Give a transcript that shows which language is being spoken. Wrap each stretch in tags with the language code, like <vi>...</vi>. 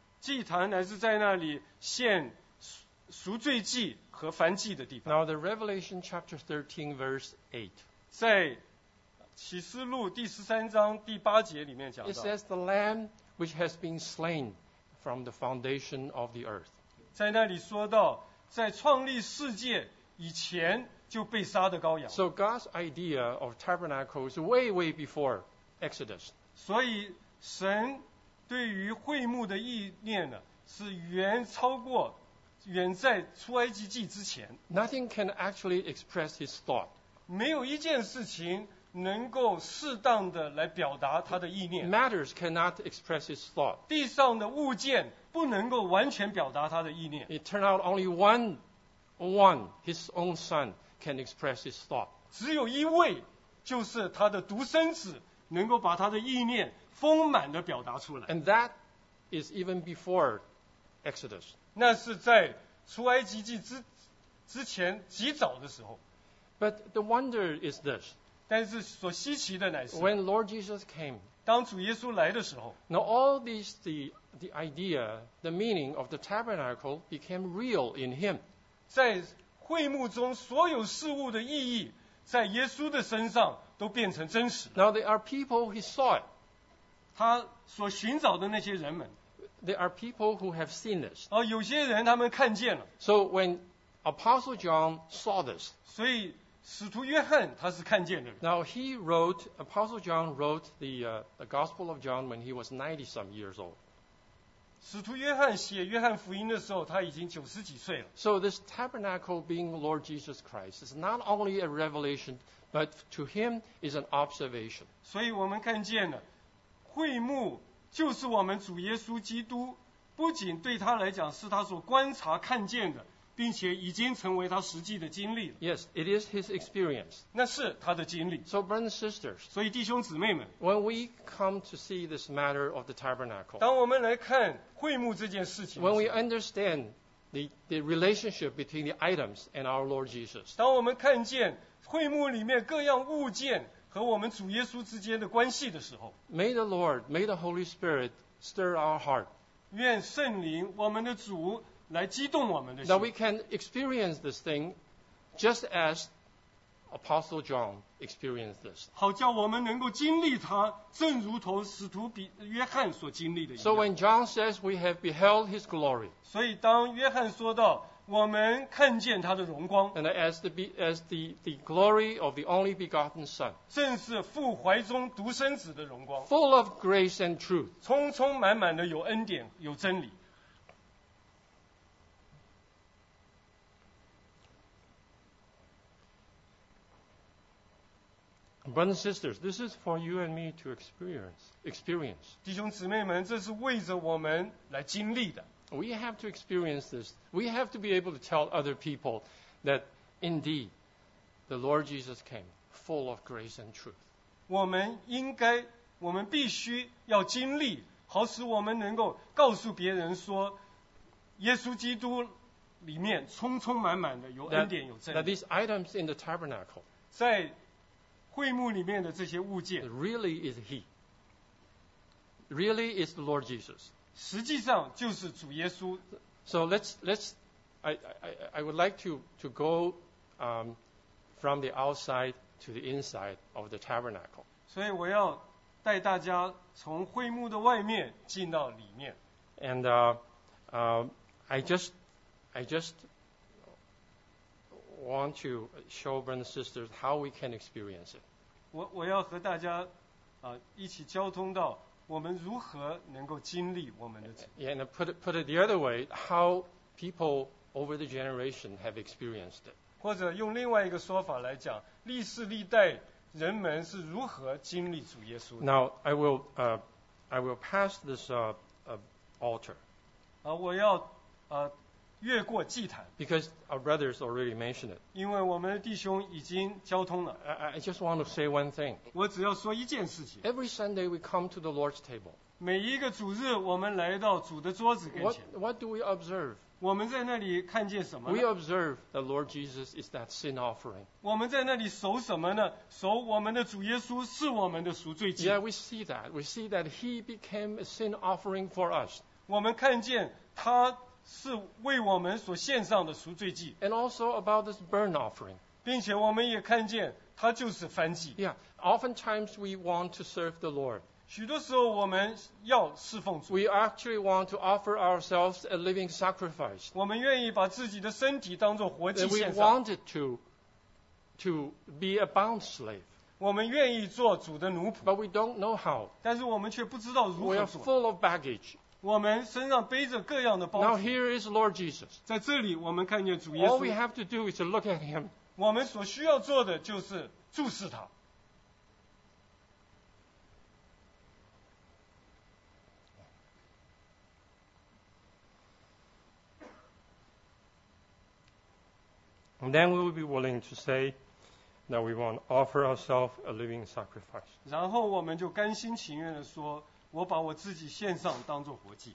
<zh>祭坛乃是在那里献赎罪祭和燔祭的地方。</zh> <en>Now the Revelation chapter 13 verse 8.</en> <zh>在启示录第十三章第八节里面讲到。</zh> <en>It says the lamb which has been slain from the foundation of the earth.</en> <zh>在那里说到在创立世界以前就被杀的羔羊。</zh> <en>So God's idea of tabernacle is way, way before Exodus.</en> <zh>所以神对于会幕的意念呢是远超过远在出埃及记之前。</zh> <en>Nothing can actually express his thought.</en> <zh>没有一件事情能够适当的来表达他的意念。</zh> <en>Matters cannot express his thought.</en> <zh>地上的物件不能够完全表达他的意念。</zh> <en>It turned out only one, his own son, can express his thought.</en> <zh>只有一位，就是他的独生子，能够把他的意念丰满的表达出来。</zh> <en>And that is even before Exodus.</en> <zh>那是在出埃及记之前极早的时候。</zh> <en>But the wonder is this.</en> <zh>但是所稀奇的乃是。</zh> <en>When Lord Jesus came.</en> <zh>当主耶稣来的时候。</zh> <en>Now all these, the idea, the meaning of the tabernacle became real in him.</en> <zh>在会幕中所有事物的意义在耶稣的身上都变成真实。</zh> <en>Now there are people he saw it.</en> <zh>他所寻找的那些人们。</zh> <en>There are people who have seen this.</en> <zh>有些人他们看见了。</zh> <en>So when Apostle John saw this.</en> <zh>所以使徒约翰他是看见的人。</zh> <en>Now he wrote, Apostle John wrote the Gospel of John when he was 90 some years old.</en> <zh>使徒约翰写约翰福音的时候他已经九十几岁了。</zh> <en>So this tabernacle being Lord Jesus Christ is not only a revelation, but to him is an observation.</en> <zh>所以我们看见了会幕就是我们主耶稣基督不仅对他来讲是他所观察看见的并且已经成为他实际的经历了。</zh> <en>Yes, it is his experience.</en> <zh>那是他的经历。</zh> <en>So, brothers and sisters,</en> <zh>所以弟兄姊妹们</zh> <en>when we come to see this matter of the tabernacle,</en> <zh>当我们来看会幕这件事情</zh> <en>when we understand the relationship between the items and our Lord Jesus,</en> <zh>当我们看见会幕里面各样物件和我们主耶稣之间的关系的时候</zh> <en>May the Lord, may the Holy Spirit stir our heart.</en> <zh>愿圣灵我们的主来激动我们的心</zh> <en>That we can experience this thing just as Apostle John experienced this.</en> <zh>好叫我们能够经历他正如同使徒约翰所经历的一样</zh> <en>So when John says we have beheld his glory.</en> <zh>所以当约翰说到我们看见他的荣光</zh> <en>and as the glory of the only begotten Son</en> <zh>正是父怀中独生子的荣光</zh> <en>full of grace and truth</en> <zh>充充满满的有恩典有真理</zh> <en>Brothers and sisters, this is for you and me to experience</en> <zh>弟兄姊妹们这是为着我们来经历的</zh> <en>We have to experience this. We have to be able to tell other people that indeed the Lord Jesus came full of grace and truth.</en> <zh>我们必须要经历，好使我们能够告诉别人说，耶稣基督里面充充满满的有恩典有真理。</zh> <en>That these items in the tabernacle,</en> <zh>在会幕里面的这些物件</zh> <en>really is he. Really is the Lord Jesus.</en> <zh>实际上就是主耶稣。</zh> <en>So I would like to go from the outside to the inside of the tabernacle.</en> <zh>所以我要带大家从会幕的外面进到里面。</zh> <en>And I just want to show brothers and sisters how we can experience it.</en> <zh>我要和大家一起交通到我们如何能够经历我们的。</zh> <en>And put it the other way, how people over the generation have experienced it.</en> <zh>或者用另外一个说法来讲，历世历代人们是如何经历主耶稣的。</zh> <en>Now I will pass this altar.</en> <zh>我要越过祭坛。</zh> <en>Because our brothers already mentioned it.</en> <zh>因为我们的弟兄已经交通了。</zh> <en>I just want to say one thing.</en> <zh>我只要说一件事情。</zh> <en>Every Sunday we come to the Lord's table.</en> <zh>每一个主日我们来到主的桌子跟前。</zh> <en>What do we observe?</en> <zh>我们在那里看见什么呢?</zh> <en>We observe the Lord Jesus is that sin offering.</en> <zh>我们在那里守什么呢? 守我们的主耶稣是我们的赎罪祭。</zh> <en>Yeah, we see that. We see that he became a sin offering for us.</en> <zh>我们看见他是为我们所献上的赎罪祭。</zh> <en>And also about this burnt offering.</en> <zh>并且我们也看见他就是燔祭。</zh> <en>Yeah, oftentimes we want to serve the Lord.</en> <zh>许多时候我们要侍奉主。</zh> <en>We actually want to offer ourselves a living sacrifice.</en> <zh>我们愿意把自己的身体当作活祭献上。</zh> <en>We wanted to be a bond slave.</en> <zh>我们愿意做主的奴仆。</zh> <en>But we don't know how.</en> <zh>但是我们却不知道如何做。</zh> <en>We are full of baggage.</en> <zh>我们身上背着各样的包袱。</zh> <en>Now here is Lord Jesus.</en> <zh>在这里我们看见主耶稣。</zh> <en>All we have to do is to look at him.</en> <zh>我们所需要做的就是注视他。</zh> <en>And then we will be willing to say that we want to offer ourselves a living sacrifice.</en> <zh>然后我们就甘心情愿地说我把我自己献上当作活祭。</zh>